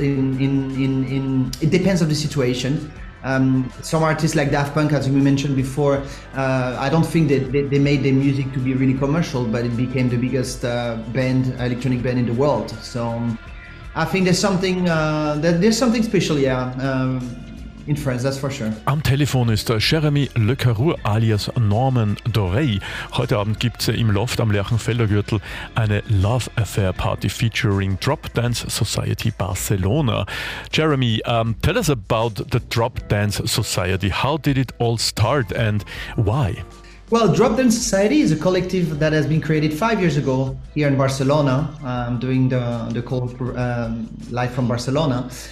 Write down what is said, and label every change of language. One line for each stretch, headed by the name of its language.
English: In it depends on the situation. Some artists like Daft Punk, as we mentioned before, I don't think that they made their music to be really commercial, but it became the biggest electronic band in the world. So I think there's something special, yeah, in France, that's for sure.
German: Am Telefon ist Jeremy Le Carrour alias Norman Doray. Heute Abend gibt es im Loft am Lerchenfelder Gürtel eine Love Affair Party featuring Drop Dance Society Barcelona.
English: Jeremy, tell us about the Drop Dance Society. How did it all start and why? Well, Drop Dance Society is a collective that has been created 5 years ago here in Barcelona. I'm doing the call live from Barcelona.